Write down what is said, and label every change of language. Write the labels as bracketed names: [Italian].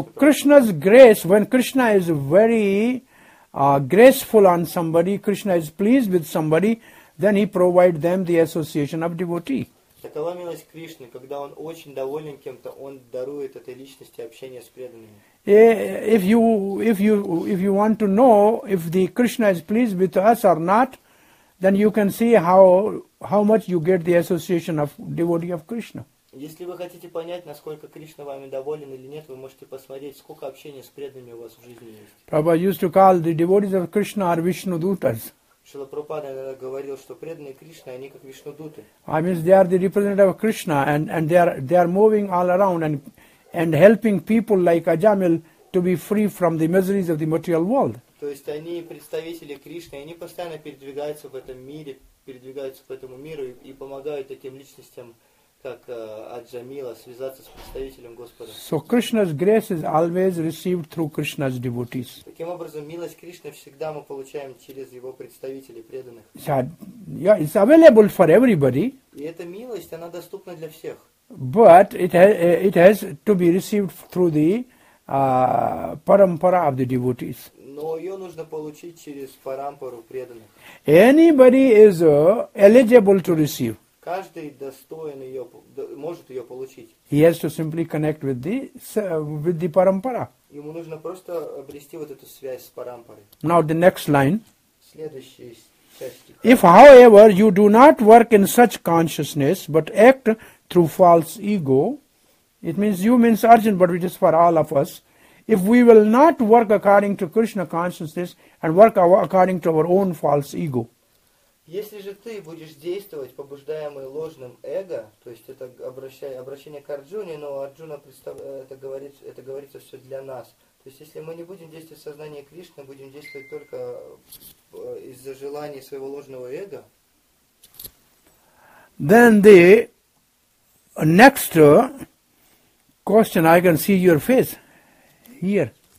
[English] So Krishna's grace, when Krishna is very graceful on somebody, Krishna is pleased with somebody, then He provides them the association of devotee. [Russian] Такова милость Кришны, когда Он очень доволен кем-то, Он дарует этой личности общение с преданными. [English] If you want to know if the Krishna is pleased with us or not, then you can see how much you get the association of devotee of Krishna. [Russian] Если вы хотите понять, насколько Кришна вами доволен или нет, вы можете посмотреть, сколько общения с преданными у вас в жизни есть. [English] Prabhupada used to call the devotees of Krishna are Vishnu dutas. [Russian] Шрила Прабхупада иногда говорил, что преданные Кришны, они как Вишнудуты. [English] I mean, they are the representative of Krishna, and they are moving all around and helping people like Ajamil to be free from the miseries of the material world. [Russian] То есть они представители Кришны, они постоянно передвигаются в этом мире, передвигаются по этому миру и помогают таким личностям, как Аджамила, связаться с представителем Господа. [English] So Krishna's grace is always received through Krishna's devotees. [Russian] Таким образом, милость Кришны всегда мы получаем через Его представителей преданных. [English] Yeah, it's available for everybody. [Russian] И эта милость, она доступна для всех. [English] But it has to be received through the parampara of the devotees. [Russian] Но ее нужно получить через парампару преданных. [English] Anybody is eligible to receive. [Russian] Каждый достоин ее, может ее получить. [English] He has to simply connect with the parampara. [Russian] Ему нужно просто обрести вот эту связь с парампарой. [English] Now the next line. [Russian] Следующая часть. [English] If, however, you do not work in such consciousness, but act through false ego, it means you, means Arjuna, but it is for all of us. If we will not work according to Krishna consciousness and work according to our own false ego. [Russian] Если же ты будешь действовать, побуждаемый ложным эго, то есть это обращение к Арджуне, но Арджуна это говорится все для нас. То есть если мы не будем действовать в сознании Кришны, будем действовать только из-за желаний своего ложного эго. [English] Then the next question, I can see your face here.